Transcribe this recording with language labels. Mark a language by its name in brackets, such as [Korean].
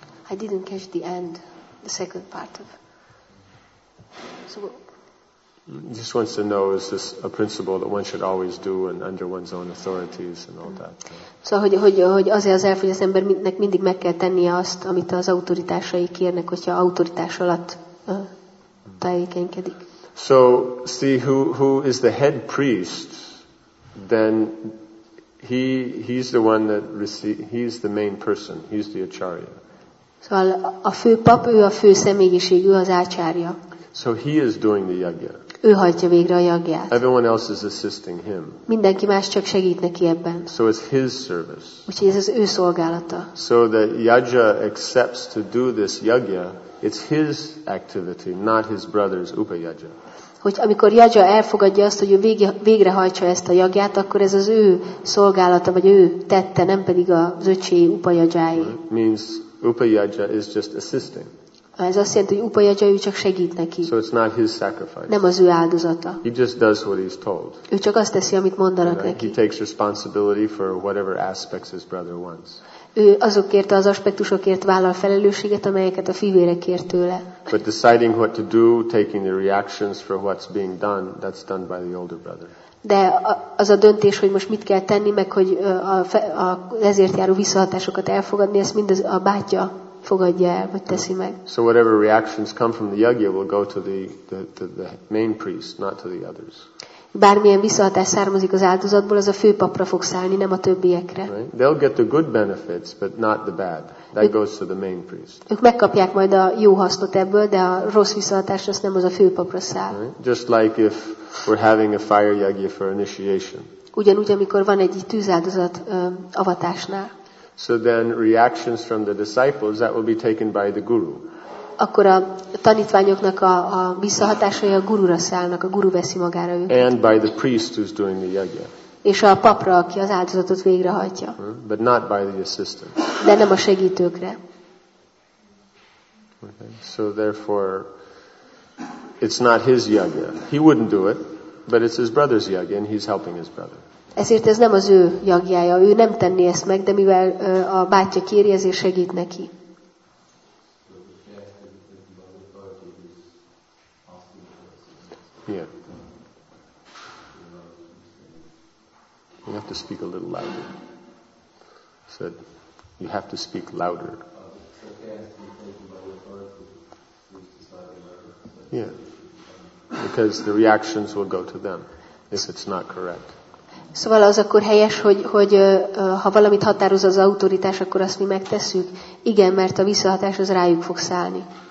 [English] I didn't catch the end, the second part of. He just wants to know, is this a principle that one should always do and under one's own authorities and all that? [Hungarian] So, hogy azért az elf, hogy az embernek mindig meg kell tennie azt, amit az autoritásai kérnek, hogyha autoritás alatt tevékenykedik. [English] So, see, who is the head priest, then he's the one that he's the main person, he's the acharya. [Hungarian] Szóval a fő pap, ő a fő személyiség, ő az ácsárja. [English] So he is doing the yagya. [Hungarian] Ő hajtja végre a jagját. [English] Everyone else is assisting him. [Hungarian] Mindenki más csak segít neki ebben. [English] So it's his service. [Hungarian] Úgyhogy ez az ő szolgálata. [English] So the yaja accepts to do this yagya, it's his activity, not his brother's upayaja. [Hungarian] Hogy amikor yaja elfogadja azt, hogy ő végrehajtsa ezt a jagját, akkor ez az ő szolgálata, vagy ő tette, nem pedig az öcsi upayajai. [English] Means upayaja is just assisting. [Hungarian] Ez azt jelenti, hogy upayaja, ő csak segít neki. [English] So it's not his sacrifice. [Hungarian] Nem az ő áldozata. [English] He just does what he's told. [Hungarian] Ő csak azt teszi, amit mondanak neki. [English] He takes responsibility for whatever aspects his brother wants. [Hungarian] Ő azokért az aspektusokért vállal felelősséget, amelyeket a fivére kért tőle. [English] But deciding what to do, taking the reactions for what's being done, that's done by the older brother. [Hungarian] De az a döntés, hogy most mit kell tenni, meg hogy ezért járó visszahatásokat elfogadni, ezt mind a bátyja fogadja el, vagy teszi meg. [English] So whatever reactions come from the yagya will go to the main priest, not to the others. [Hungarian] Bármilyen visszahatás származik az áldozatból, az a főpapra fog szállni, nem a többiekre. [English] Right? They'll get the good benefits, but not the bad. That goes to the main priest. [Hungarian] Ők megkapják majd a jó hasznot ebből, de a rossz visszahatás az nem az a főpapra száll. [English] Right? Just like if we're having a fire yagya for initiation. [Hungarian] Ugyanúgy, amikor van egy tűzáldozat avatásnál. [English] So then reactions from the disciples, that will be taken by the guru. [Hungarian] Akkor a tanítványoknak a visszahatásai a gurura szállnak, a guru veszi magára őket. [English] And by the priest who's doing the yagya. [Hungarian] És a papra, aki az áldozatot végrehajtja. [English] But not by the assistant. [Hungarian] De nem a segítőkre. [English] Okay. So therefore, it's not his yagya. He wouldn't do it, but it's his brother's yagya, and he's helping his brother. [Hungarian] Ezért ez nem az ő jagjája, ő nem tenné ezt meg, de mivel a bátyja kéri, ezért segít neki. [English] Yeah. You have to speak a little louder. Said, you have to speak louder. Yeah. Because the reactions will go to them if it's not correct. [Hungarian] Szóval az akkor helyes, hogy ha valamit határoz az autoritás, akkor azt mi megtesszük? Igen, mert a visszahatás az rájuk fog szállni.